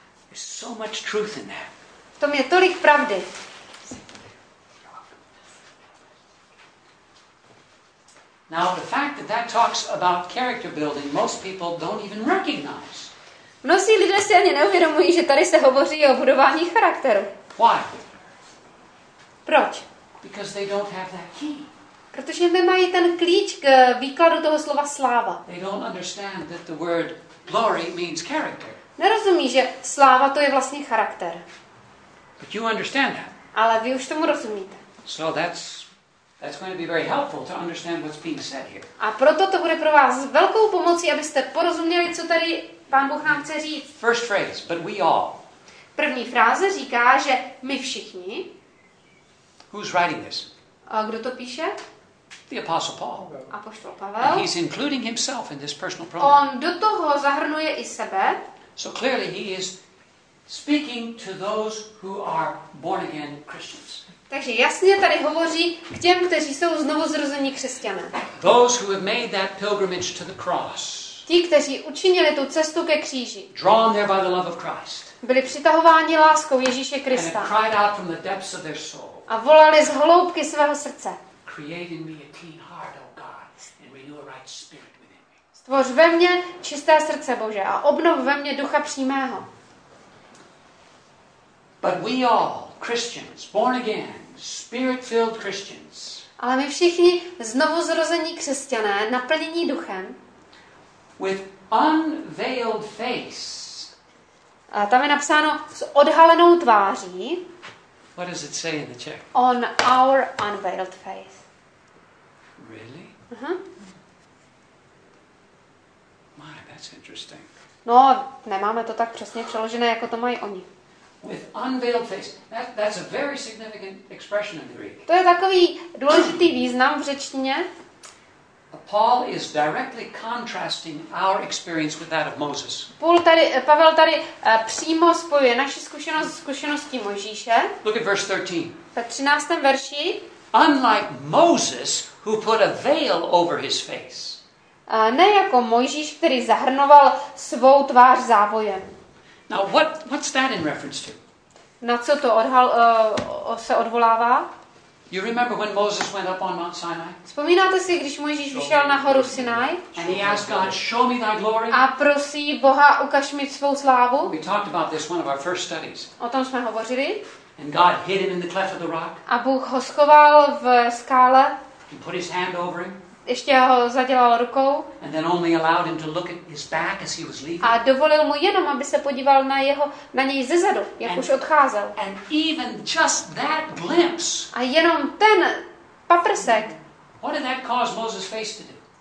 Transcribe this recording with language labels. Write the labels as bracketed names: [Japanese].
[English] There's so much truth in that. [Czech] V tom je tolik pravdy. [English] Now the fact that that talks about character building, most people don't even recognize. [Czech] Mnozí lidé si ani neuvědomují, že tady se hovoří o budování charakteru. [English] Why? [Czech] Proč? [English] Because they don't have that key. [Czech] Protože nemají ten klíč k výkladu toho slova sláva. [English] They don't understand that the word glory means character. [Czech] Nerozumí, že sláva to je vlastně charakter. [English] But you understand that. [Czech] Ale vy už tomu rozumíte. [English] So that's going to be very helpful to understand what's being said here. [Czech] A proto to bude pro vás velkou pomocí, abyste porozuměli, co tady Pán Bůh nám chce říct. [English] First phrase, but we all. [Czech] První fráze říká, že my všichni. [English] Who's writing this? [Czech] A kdo to píše? [English] The Apostle Paul. [Czech] Apoštol Pavel. [English] And he's including himself in this personal pronoun. [Czech] On do toho zahrnuje i sebe. [English] So clearly he is speaking to those who are born again Christians. [Czech] Takže jasně tady hovoří k těm, kteří jsou znovu zrození křesťané. [English] Those who have made that pilgrimage to the cross. [Czech] Ti, kteří učinili tu cestu ke kříži. [English] Drawn there by the love of Christ. [Czech] Byli přitahováni láskou Ježíše Krista. [English] And cried out from the depths of their soul. [Czech] A volali z hloubky svého srdce. [English] Create in me a clean heart, O God, and renew a right spirit within me. [Czech] Stvoř ve mně čisté srdce, Bože, a obnov ve mně ducha přímého. [English] But we all Christians, born again, spirit-filled Christians. [Czech] Ale my všichni znovu zrození křesťané, naplnění duchem. [English] With unveiled face. [Czech] A tam je napsáno s odhalenou tváří. [English] What does it say in the Czech? On our unveiled face. Really? Uh-huh. My, that's interesting. [Czech] No, nemáme to tak přesně přeložené, jako to mají oni. [English] With unveiled face. That's a very significant expression in Greek. [Czech] To je takový důležitý význam v řečtině. [English] Paul is directly contrasting our experience with that of Moses. [Czech] Pavel tady přímo spojuje naši zkušenost s zkušeností Mojžíše. [English] Look at verse 13. [Czech] Ve 13. verši. [English] Unlike Moses, who put a veil over his face. [Czech] Ne jako Mojžíš, který zahrnoval svou tvář závojem. [English] Now what's that in reference to? [Czech] Na co to se odvolává? [English] You remember when Moses went up on Mount Sinai? [Czech] Vzpomínáte si, když Mojžíš vyšel na horu Sinai? [English] And he asked God, show me thy glory. [Czech] A prosí Boha, ukaž mi svou slávu. [English] We talked about this one of our first studies. [Czech] O tom jsme hovořili. [English] And God hid him in the cleft of the rock. [Czech] A Bůh ho schoval v skále. [English] He put his hand over him. [Czech] Ještě ho zadělal rukou. [English] And then only allowed him to look at his back as he was leaving. [Czech] A dovolil mu jenom, aby se podíval na jeho na něj zezadu, jak už odcházel. [English] And even just that glimpse. [Czech] A jenom ten paprsek. [English] What did that cause Moses' face to do?